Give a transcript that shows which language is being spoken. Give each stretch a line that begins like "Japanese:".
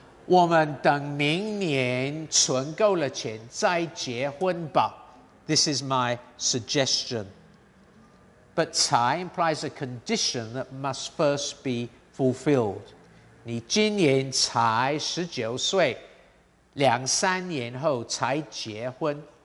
Chinese: 我们等明年存够了钱再结婚吧.
English: This is my suggestion. But 才 implies a condition that must first be fulfilled.
Chinese: 你今年才19岁, 两三年后才结婚.